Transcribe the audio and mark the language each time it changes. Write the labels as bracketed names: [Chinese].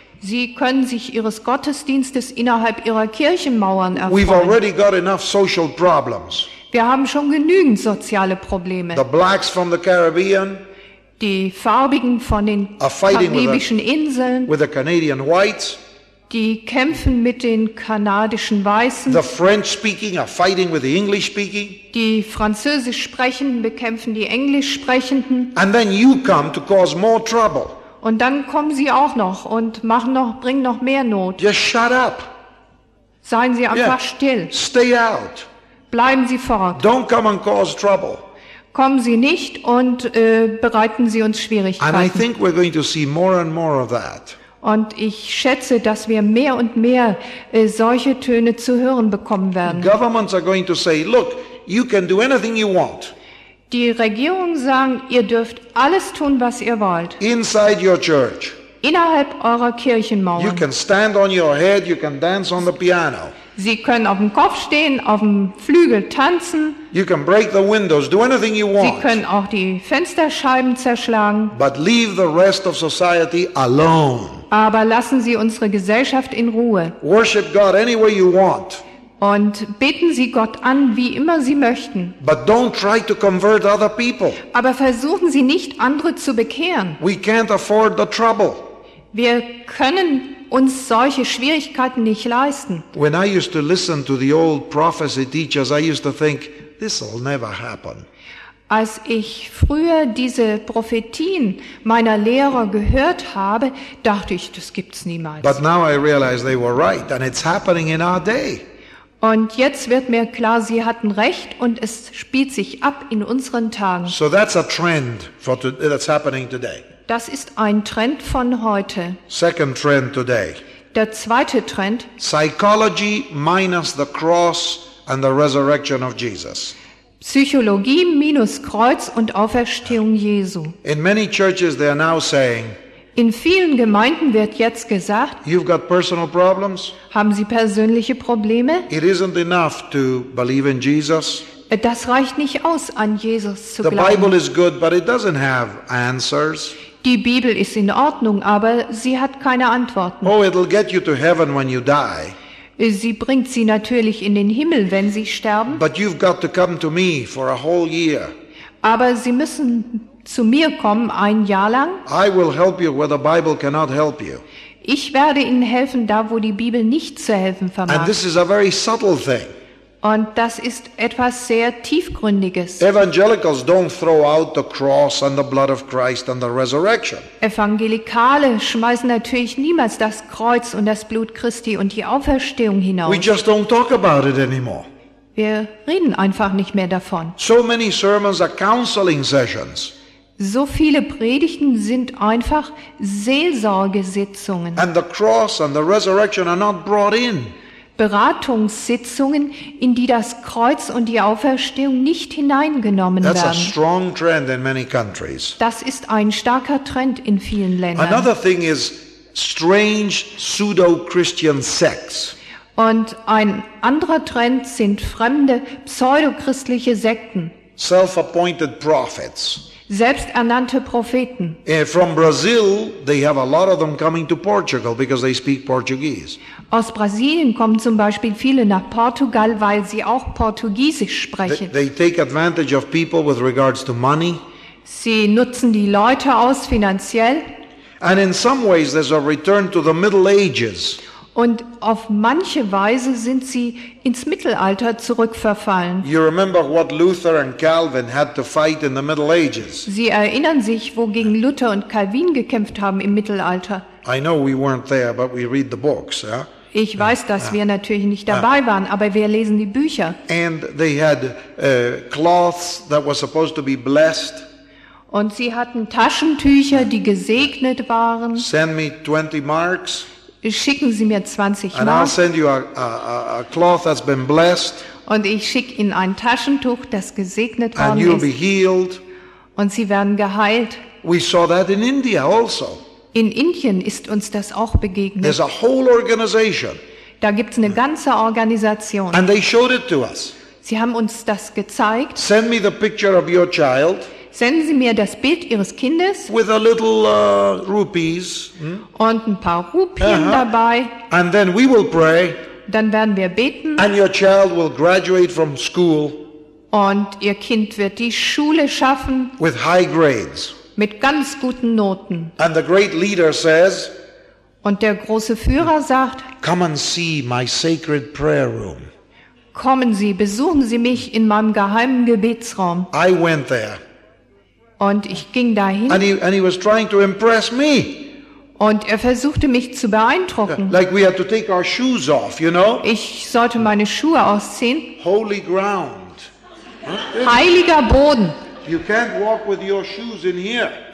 [German] Sie können sich Ihres Gottesdienstes innerhalb Ihrer Kirchenmauern erfreuen. [English] We've already got enough social problems. [German] Wir haben schon genügend soziale Probleme. [English] The blacks from the Caribbean. [German] Die Farbigen von den karibischen Inseln. [English] With the Canadian whites. [German] Die kämpfen mit den kanadischen Weißen. [English] The French speaking are fighting with the English speaking. [German] Die Französisch sprechenden bekämpfen die Englisch sprechenden. [English] And then you come to cause more trouble. [German] Und dann kommen Sie auch noch und bringen noch mehr Not. [English] Just shut up. [German] Seien Sie einfach still. [English] Stay out. [German] Bleiben Sie fort. [English] Don't come and cause trouble. [German] Kommen Sie nicht und bereiten Sie uns Schwierigkeiten. [English] And I think we're going to see more and more of that. [German] Und ich schätze, dass wir mehr und mehr solche Töne zu hören bekommen werden. [English] Governments are going to say, look, you can do anything you want. [German] Die Regierungen sagen, ihr dürft alles tun, was ihr wollt. [English] Inside your church. [German] Innerhalb eurer Kirchenmauern. [English] You can stand on your head, you can dance on the piano. [German] Sie können auf dem Kopf stehen, auf dem Flügel tanzen. [English] You can break the windows, do anything you want. [German] Sie können auch die Fensterscheiben zerschlagen. [English] But leave the rest of society alone. [German] Aber lassen Sie unsere Gesellschaft in Ruhe. [English] Worship God any way you want. [German] Und beten Sie Gott an, wie immer Sie möchten. [English] But don't try to convert other people. [German] Aber versuchen Sie nicht, andere zu bekehren. [English] We can't afford the trouble. [German] Wir können uns solche Schwierigkeiten nicht leisten. [English] When I used to listen to the old prophecy teachers, I used to think, this will never happen. [German] Als ich früher diese Prophetien meiner Lehrer gehört habe, dachte ich, das gibt's niemals. [English] But now I realize they were right, and it's happening in our day. [German] Und jetzt wird mir klar, sie hatten recht und es spielt sich ab in unseren Tagen. [English] So that's a trend for that's happening today. [German] Das ist ein Trend von heute. [English] Second trend today. [German] Der zweite Trend. [English] Psychology minus the cross and the resurrection of Jesus. [German] Psychologie minus Kreuz und Auferstehung Jesu. [English] In many churches they are now saying, [German] in vielen Gemeinden wird jetzt gesagt, [English] you've got personal problems. [German] Haben Sie persönliche Probleme? [English] It isn't enough to believe in Jesus. [German] Das reicht nicht aus, an Jesus zu [English] the [German] glauben. [English] Bible is good, but it doesn't have answers. [German] Die Bibel ist in Ordnung, aber sie hat keine Antworten. [English] Oh, it'll get you to heaven when you die. [German] Sie bringt Sie natürlich in den Himmel, wenn Sie sterben. [English] But you've got to come to me for a whole year. [German] Aber Sie müssen zu mir kommen ein Jahr lang. [English] I will help you where the Bible cannot help you. [German] Ich werde Ihnen helfen, da wo die Bibel nicht zu helfen vermag. [English] And this is a very subtle thing. [German] Und das ist etwas sehr Tiefgründiges. [English] Evangelicals don't throw out the cross and the blood of Christ and the resurrection. [German] Evangelikale schmeißen natürlich niemals das Kreuz und das Blut Christi und die Auferstehung hinaus. [English] We just don't talk about it anymore. [German] Wir reden einfach nicht mehr davon. [English] So many sermons are counseling sessions. [German] So viele Predigten sind einfach Seelsorgesitzungen. [English] And the cross and the resurrection are not brought in. [German] Beratungssitzungen, in die das Kreuz und die Auferstehung nicht hineingenommen [English] That's [German] werden. [English] A strong trend in many countries. [German] Das ist ein starker Trend in vielen Ländern. [English] Another thing is strange pseudo-Christian sects. [German] Und ein anderer Trend sind fremde pseudochristliche Sekten. [English] Self-appointed prophets. [German] Selbsternannte Propheten. [English] From Brazil, they have a lot of them coming to Portugal because they speak Portuguese. [German] Aus Brasilien kommen zum Beispiel viele nach Portugal, weil sie auch Portugiesisch sprechen. [English] They take advantage of people with regards to money. [German] Sie nutzen die Leute aus finanziell. [English] And in some ways, there's a return to the Middle Ages. [German] Und auf manche Weise sind sie ins Mittelalter zurückverfallen. [English] You remember what Luther and Calvin had to fight in the Middle Ages. [German] Sie erinnern sich, wogegen Luther und Calvin gekämpft haben im Mittelalter. [English] I know we weren't there, but we read the books, huh? [German] Ich weiß, dass wir natürlich nicht dabei waren, aber wir lesen die Bücher. [English] And they had cloths that were supposed to be blessed. [German] Und sie hatten Taschentücher, die gesegnet waren. [English] Send me 20 marks. [German] Schicken Sie mir 20 Mark. [English] And I'll send you a cloth that's been blessed. [German] Und ich schicke Ihnen ein Taschentuch, das gesegnet worden ist. [English] And you'll be healed. [German] Und Sie werden geheilt. [English] We saw that in India also. [German] In Indien ist uns das auch begegnet. [English] There's a whole organization. [German] Da gibt's eine ganze Organisation. [English] And they showed it to us. [German] Sie haben uns das gezeigt. [English] Send me the picture of your child. [German] Senden Sie mir das Bild Ihres Kindes. [English] With a little rupees. [German] Und ein paar Rupien dabei. [English] And then we will pray. [German] Dann werden wir beten. [English] And your child will graduate from school. [German] Und Ihr Kind wird die Schule schaffen. [English] With high grades. [German] Mit ganz guten Noten. [English] And the great leader says, [German] und der große Führer sagt, [English] come and see my sacred prayer room. [German] Kommen Sie, besuchen Sie mich in meinem geheimen Gebetsraum. [English] I went there. [German] Und ich ging dahin. [English] And he was trying to impress me. [German] Und er versuchte mich zu beeindrucken. [English] Like we had to take our shoes off, you know? [German] Ich sollte meine Schuhe ausziehen. [English] Holy ground. [German] Heiliger Boden. [English] You can't walk with your shoes in here.